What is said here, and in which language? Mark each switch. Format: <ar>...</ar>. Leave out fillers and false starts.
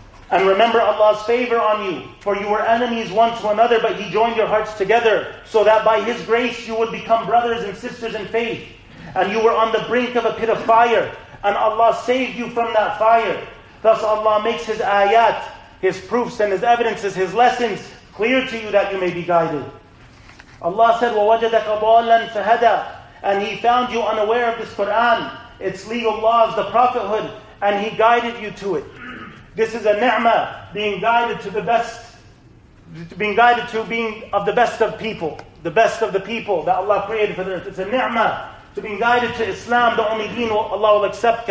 <en>And remember Allah's favor on you, for you were enemies one to another, but He joined your hearts together, so that by His grace you would become brothers and sisters in faith. And you were on the brink of a pit of fire, and Allah saved you from that fire. Thus Allah makes His ayat, His proofs and His evidences, His lessons, clear to you that you may be guided. Allah said,</en> <ar>وَوَجَدَكَ ضَالًا فَهَدَى.</ar> <en>And He found you unaware of this Qur'an, its legal laws, the prophethood, and He guided you to it. This is a ni'mah, being guided to the best, being guided to being of the best of people, the best of the people that Allah created for the earth. It's a ni'mah to being guided to Islam, the only deen Allah will accept.</en>